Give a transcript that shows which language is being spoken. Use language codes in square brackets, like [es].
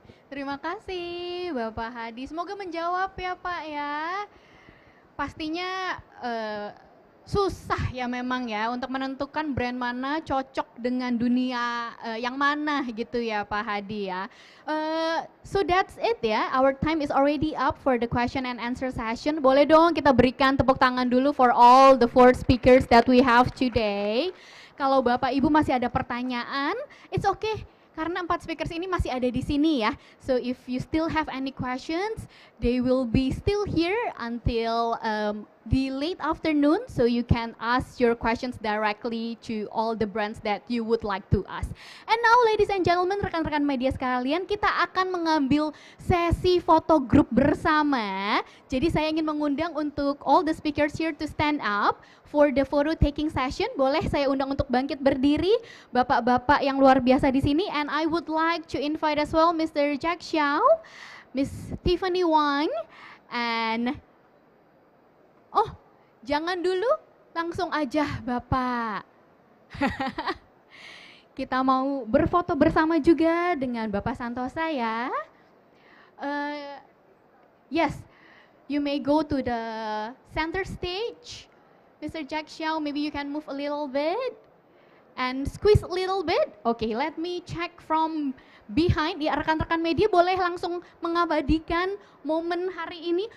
[id] Terima kasih Bapak Hadi, semoga menjawab ya Pak ya. Pastinya susah ya memang ya untuk menentukan brand mana cocok dengan dunia yang mana gitu ya Pak Hadi ya. [en] So that's it ya, our time is already up for the question and answer session. [id] Boleh dong kita berikan tepuk tangan dulu [en] for all the four speakers that we have today. [id] Kalau Bapak Ibu masih ada pertanyaan, [en] it's okay. [id] Karena empat speakers ini masih ada di sini ya. [en] So if you still have any questions, they will be still here until the late afternoon. So you can ask your questions directly to all the brands that you would like to ask. And now ladies and gentlemen, [id] rekan-rekan media sekalian, kita akan mengambil sesi foto grup bersama. Jadi saya ingin mengundang untuk [en] all the speakers here to stand up for the photo taking session. [id] Boleh saya undang untuk bangkit berdiri bapak-bapak yang luar biasa di sini. [en] And I would like to invite as well Mr. [id] Jack Xiao, Miss Tiffany Wang, [en] and oh, [id] jangan dulu, langsung aja Bapak. Kita mau berfoto bersama juga dengan Bapak Santosa ya. [en] Yes, you may go to the center stage. Mr. Jack Xiao, maybe you can move a little bit and squeeze a little bit. Okay, let me check from behind. [id] Ya, rekan-rekan media boleh langsung mengabadikan momen hari ini.